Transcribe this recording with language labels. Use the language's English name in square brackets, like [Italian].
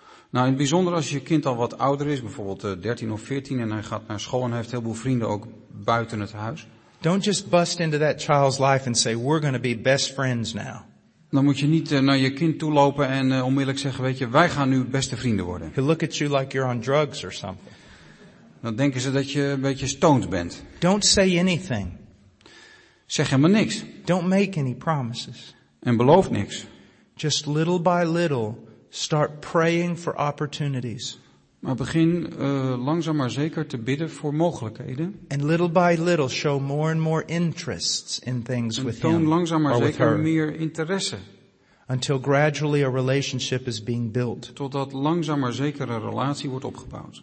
[Dutch] Nou, in het bijzonder als je kind al wat ouder is, bijvoorbeeld 13 of 14, en hij gaat naar school en heeft heel veel vrienden ook buiten het huis. [English] Don't just bust into that child's life and say we're going to be best friends now. [Dutch] Dan moet je niet naar je kind toe lopen en onmiddellijk zeggen, weet je, wij gaan nu beste vrienden worden. [English] He'll look at you like you're on drugs or something. [Dutch] Dan denken ze dat je een beetje stoned bent. [English] Don't say anything. [Dutch] Zeg helemaal niks. [English] Don't make any promises. [Dutch] En beloof niks. [English] Just little by little. Start praying for opportunities. [Dutch] Maar begin langzaam maar zeker te bidden voor mogelijkheden. [English] And little by little show more and more interests in things with him. [Dutch] En toon langzaam maar zeker meer interesse. [English] Until gradually a relationship is being built. [Dutch] Totdat langzaam maar zeker een relatie wordt opgebouwd.